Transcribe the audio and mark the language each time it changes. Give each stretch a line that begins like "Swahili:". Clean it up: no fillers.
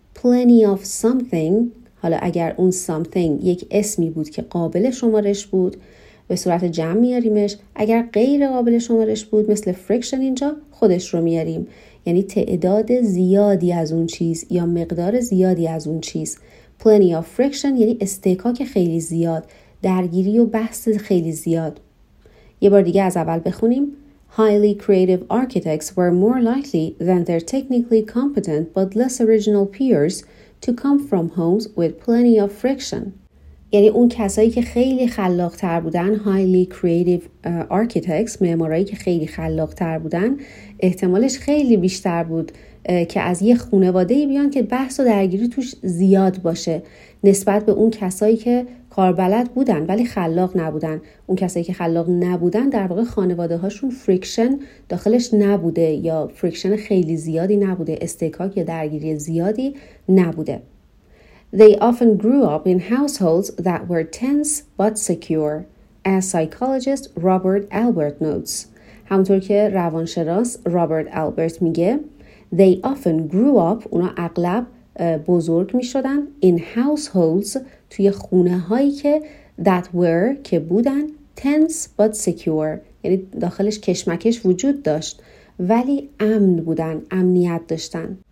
English: plenty of something،
Persian: حالا اگر اون something یک اسمی بود که قابل شمارش بود به صورت جمع میاریمش، اگر غیر قابل شمارش بود مثل friction اینجا خودش رو میاریم، یعنی تعداد زیادی از اون چیز یا مقدار زیادی از اون چیز.
English: plenty of friction
Persian: یعنی استکاک خیلی زیاد، درگیری و بحث خیلی زیاد. یه بار دیگه از اول بخونیم.
English: Highly creative architects were more likely than their technically competent but less original peers to come from homes with plenty of friction.
Persian: یعنی اون کسایی که خیلی خلاق تر بودن،
English: highly creative architects،
Persian: معمارایی که خیلی خلاق تر بودن، احتمالش خیلی بیشتر بود که از یه خانواده بیان که بحث و درگیری توش زیاد باشه نسبت به اون کسایی که کاربلد بودن ولی خلاق نبودن. اون کسایی که خلاق نبودن در واقع خانواده هاشون فریکشن داخلش نبوده یا فریکشن خیلی زیادی نبوده، استکاک یا درگیری زیادی نبوده.
English: They often grew up in households that were tense but secure, as psychologist Robert Albert notes.
Persian: همونطور که روانشناس رابرت آلبرت میگه،
English: They often grew up،
Persian: اونا اغلب بزرگ می شدن،
English: in households،
Persian: توی خونه هایی که
English: that were،
Persian: که بودن،
English: tense but secure،
Persian: یعنی داخلش کشمکش وجود داشت ولی امن بودن، امنیت داشتن.